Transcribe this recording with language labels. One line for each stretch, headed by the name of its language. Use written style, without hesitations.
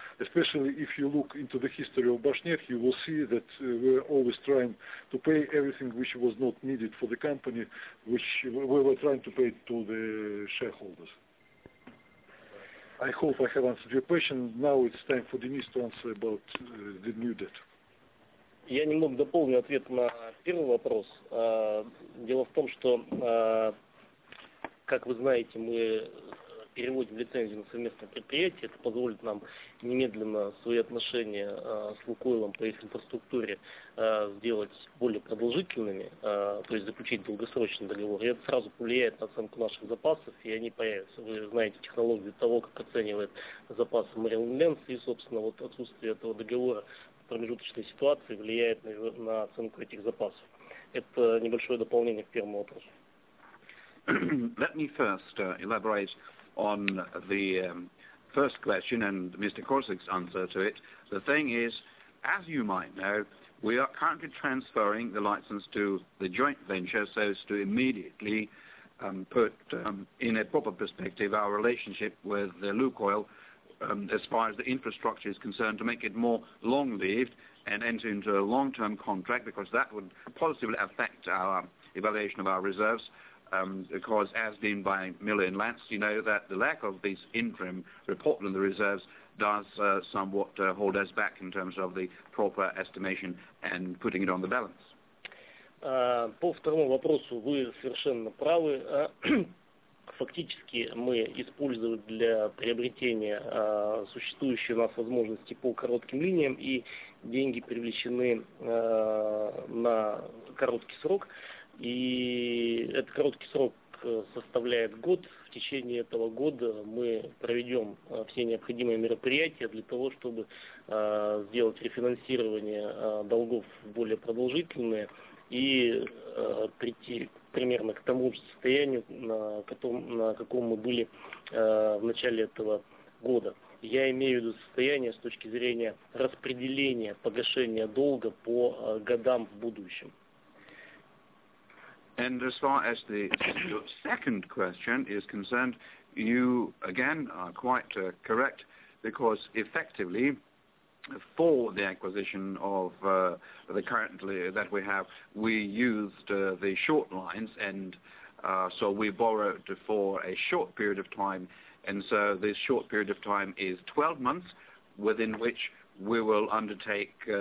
English: Especially if you look into the history of Bashneft, you will see that we're always trying to pay everything which was not needed for the company, which we were trying to pay to the shareholders. I hope I have answered your question. Now it's time for Denis to answer about the new debt.
Russian: Я немного дополню ответ на первый вопрос. Дело в том, что, как вы знаете, мы переводим лицензию на совместное предприятие. Это позволит нам немедленно свои отношения с Лукойлом по их инфраструктуре сделать более продолжительными, то есть заключить долгосрочный договор. И это сразу повлияет на оценку наших запасов, и они появятся. Вы знаете технологию того, как оценивает запасы Marilyn Lens, и, собственно, вот отсутствие этого договора в промежуточной ситуации влияет на оценку этих запасов. Это небольшое дополнение к первому вопросу.
English: Let me first elaborate on the first question and Mr. Korsak's answer to it. The thing is, as you might know, we are currently transferring the license to the joint venture so as to immediately put in a proper perspective our relationship with Lukoil as far as the infrastructure is concerned, to make it more long-lived and enter into a long-term contract, because that would positively affect our evaluation of our reserves. Because as deemed by Miller and Lance, you know that the lack of this interim report on the reserves does somewhat hold us back in terms of the proper estimation and putting it on the balance.
Russian: По второму вопросу вы совершенно правы. Фактически мы используем для приобретения существующие у нас возможности по коротким линиям, и деньги привлечены на короткий срок. И этот короткий срок составляет год. В течение этого года мы проведем все необходимые мероприятия для того, чтобы сделать рефинансирование долгов более продолжительное и прийти примерно к тому же состоянию, на каком мы были в начале этого года. Я имею в виду состояние с точки зрения распределения погашения долга по годам в будущем.
English: And as far as the second question is concerned, you, again, are quite correct, because effectively, for the acquisition of the currently that we have, we used the short lines, and so we borrowed for a short period of time, and so this short period of time is 12 months, within which we will undertake